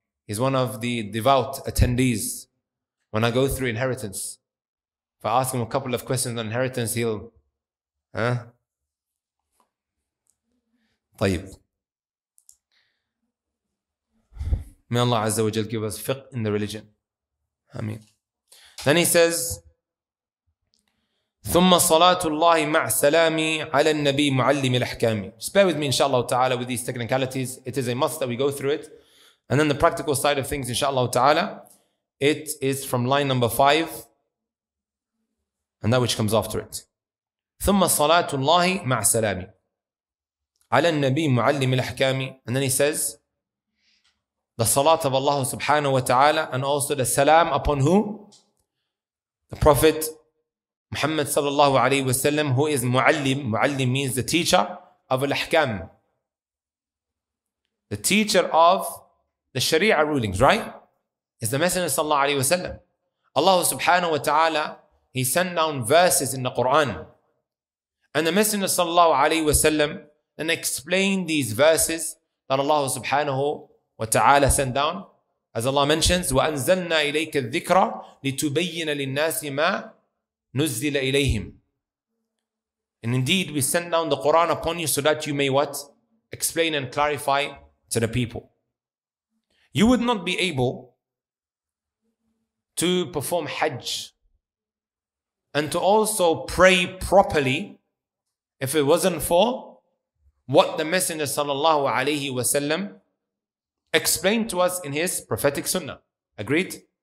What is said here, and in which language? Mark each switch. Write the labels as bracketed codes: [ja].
[en] He's one of the devout attendees. When I go through inheritance, if I ask him a couple of questions on inheritance, he'll... Huh? Tayyib. May Allah Azza wa Jal give us fiqh in the religion. Ameen. Then he says, [ar] ثم صلاة الله مع سلامي على النبي معلم الأحكام. [en] Spare with me inshallah ta'ala with these technicalities. It is a must that we go through it. And then the practical side of things inshallah ta'ala, it is from line number 5 and that which comes after it. [ar] ثم صلاة الله مع سلامي على النبي معلم الأحكام. [en] And then he says, the salat of Allah subhanahu wa ta'ala, and also the salam upon who? The Prophet Muhammad sallallahu alayhi wa sallam, who is mu'allim. Mu'allim means the teacher of al-ahkam. The teacher of the sharia rulings, right? Is the Messenger sallallahu alayhi wa sallam. Allah subhanahu wa ta'ala, he sent down verses in the Quran. And the Messenger sallallahu alayhi wa sallam then explained these verses that Allah subhanahu wa ta'ala sent down. As Allah mentions, [ar] وَأَنزَلْنَا إِلَيْكَ الذِّكْرَ لِتُبَيِّنَ لِلنَّاسِ مَا نُزِّلَ إِلَيْهِمْ. [en] And indeed, we send down the Quran upon you so that you may what? Explain and clarify to the people. You would not be able to perform Hajj and to also pray properly if it wasn't for what the Messenger sallallahu alayhi wa sallam explained to us in his prophetic sunnah. Agreed?